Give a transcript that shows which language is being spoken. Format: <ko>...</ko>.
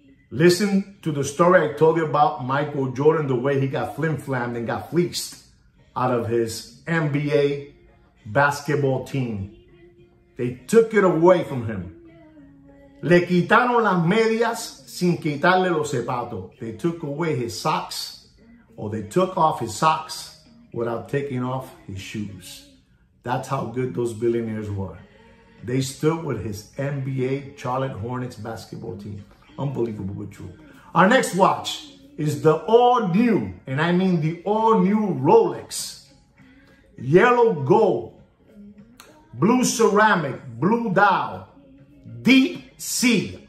<en>Listen to the story I told you about Michael Jordan, the way he got flim-flammed and got fleeced out of his NBA basketball team. They took it away from him.</en> <es>Le quitaron las medias sin quitarle los zapatos.</es> <en>They took away his socks, or they took off his socks without taking off his shoes. That's how good those billionaires were. They stood with his NBA Charlotte Hornets basketball team. Unbelievable, but true. Our next watch is the all new, and I mean the all new Rolex yellow gold, blue ceramic, blue dial, deep sea.</en>